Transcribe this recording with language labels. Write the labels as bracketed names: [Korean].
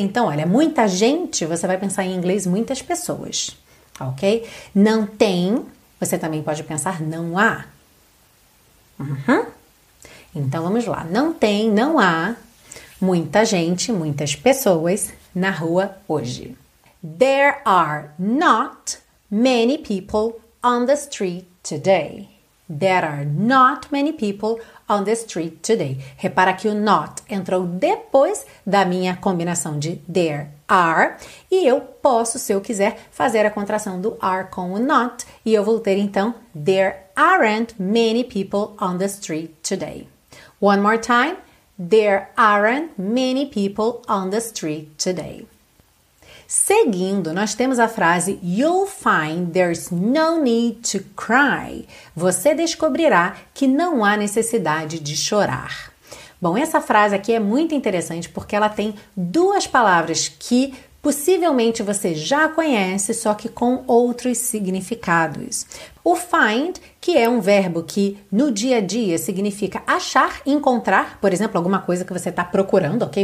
[Portuguese] Então, olha, muita gente, você vai pensar em inglês muitas pessoas, ok? Não tem, você também pode pensar não há. Uhum. Então, vamos lá. Não tem, não há muita gente, muitas pessoas na rua hoje. [English] There are not many people on the street today. There are not many people on the street today. [Portuguese] Repara que o not entrou depois da minha combinação de there are. E eu posso, se eu quiser, fazer a contração do are com o not. E eu vou ter, então, [English] there aren't many people on the street today. One more time. There aren't many people on the street today. [Portuguese] Seguindo, nós temos a frase [English] you'll find there's no need to cry. [Portuguese] Você descobrirá que não há necessidade de chorar. Bom, essa frase aqui é muito interessante porque ela tem duas palavras que Possivelmente você já conhece, só que com outros significados. O find, que é um verbo que no dia a dia significa achar, encontrar, por exemplo, alguma coisa que você está procurando, ok?